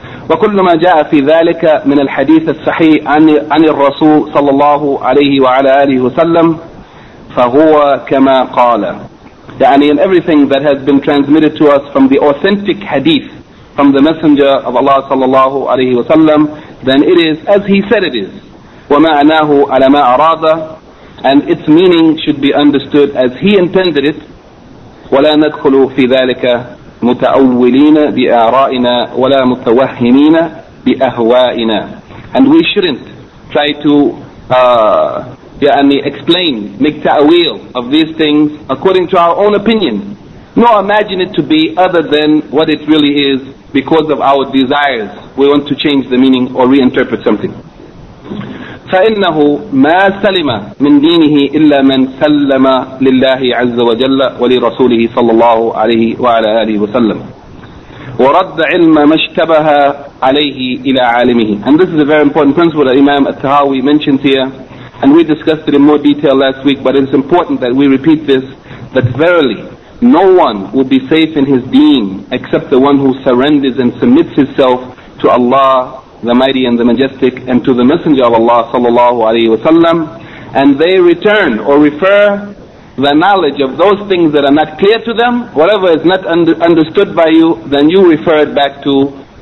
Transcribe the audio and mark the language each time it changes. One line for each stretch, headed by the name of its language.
Arabic: وَكُلُّ مَا جَاءَ فِي ذَلِكَ مِنَ الْحَدِيثَ الصَّحِيحِ عَنِ الرَّسُولِ صَلَّى اللَّهُ عَلَيْهِ وَعَلَى آلِهِ وَسَلَّمْ فَهُوَ كَمَا قَالَ,
English: يعني in everything that has been transmitted to us from the authentic hadith from the Messenger of Allah sallallahu alayhi wa sallam, then it is as he said it is.
Arabic: وَمَا عَنَاهُ عَلَى مَا أَرَادَ,
English: and its meaning should be understood as he intended it.
Arabic: ولا ندخل في ذلك متأولين بآرائنا ولا متوهمين بأهوائنا.
English: And we shouldn't try to explain, make ta'wil of these things according to our own opinion, nor imagine it to be other than what it really is because of our desires. We want to change the meaning or reinterpret something.
Arabic: فإنه ما سلم من دينه إلا من سلم لله عز وجل ولرسوله صلى الله عليه وعلى آله وسلم ورد علم ما اشتبه عليه إلى عالمه.
English: And this is a very important principle that Imam al-Tahawi mentions here, and we discussed it in more detail last week, but it's important that we repeat this, that verily no one will be safe in his deen except the one who surrenders and submits himself to Allah the Mighty and the Majestic, and to the Messenger of Allah sallallahu alayhi wa sallam, and they return or refer the knowledge of those things that are not clear to them, whatever is not understood by you, then you refer it back to